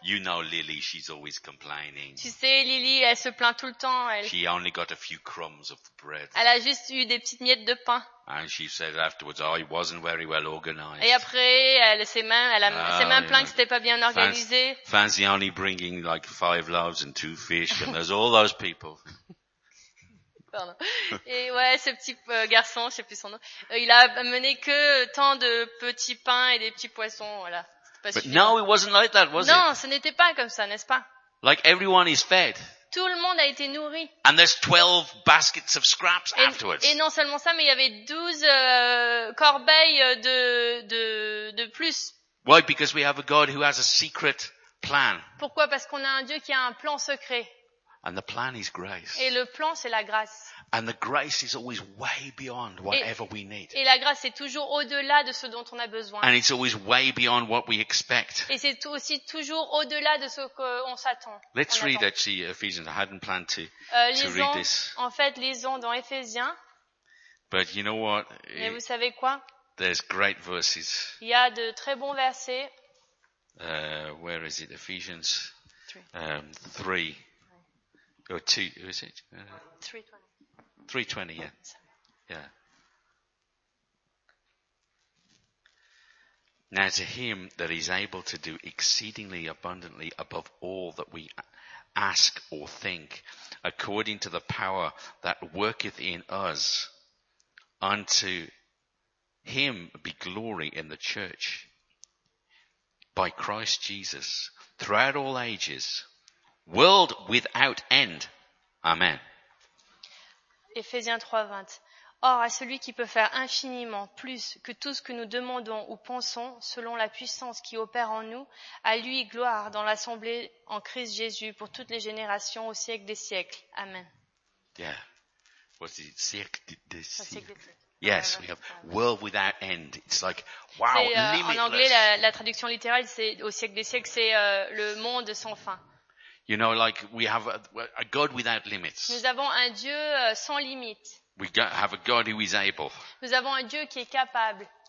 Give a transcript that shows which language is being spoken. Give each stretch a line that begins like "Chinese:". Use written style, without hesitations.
English: You know Lily, she's always complaining.
French: Tu sais Lily, elle se plaint tout le temps.
English: She only got a few crumbs of bread.
French: Elle a juste eu des petites miettes de pain.
English: And she said afterwards, oh, it wasn't very well organized.
French: Et après, elle s'est même plaint que c'était pas bien organisé.
English: Fancy only bringing like 5 loaves and 2 fish, and there's all those people.
French: Pardon. Et ouais, ce petit garçon, je sais plus son nom, il a amené que tant de petits pains et des petits poissons, voilà.
English: But no, it wasn't like that, was
French: non,
English: it?
French: Ce n'était pas comme ça, n'est-ce pas?
English: Like everyone is fed.
French: tout le monde a été nourri.
English: And there's 12 baskets of scraps afterwards.
French: Et non seulement ça, mais il y avait 12 corbeilles de plus.
English: Why? Because we have a God who has a secret plan.
French: Pourquoi? Parce qu'on a un Dieu qui a un plan secret.
English: And the plan is grace.
French: Et le plan, c'est la grâce.
English: And the grace is always way beyond whatever we need.
French: Et la grâce est toujours au-delà de ce dont on a besoin.
English: And it's always way beyond what we expect.
French: Et c'est aussi toujours au-delà de ce qu'on s'attend.
English: Let's read actually Ephesians. I hadn't planned to read this.
French: En fait, lisons dans Ephésiens.
English: But you know what?
French: Mais vous savez quoi?
English: There's great verses.
French: Il y a de très bons versets.
English: Where is it? Ephesians 3. Or 2, who is it? 3:20, yeah. Now to him that is able to do exceedingly abundantly above all that we ask or think, according to the power that worketh in us, unto him be glory in the church, by Christ Jesus, throughout all ages, world without end. Amen.
French: Ephésiens 3:20. Or à celui qui peut faire infiniment plus que tout ce que nous demandons ou pensons, selon la puissance qui opère en nous, à lui gloire dans l'assemblée en Christ Jésus pour toutes les générations au siècle des siècles. Amen.
English: Yeah. What's it?
French: Siècle des siècles.
English: Yes, we have world without end. It's like wow, limitless.
French: En anglais, la traduction littérale, c'est au siècle des siècles, c'est le monde sans fin.
English: You know, like we have a God without limits.
French: Nous avons un Dieu sans limite.
English: We have a God who is able.
French: Nous avons un Dieu qui est capable.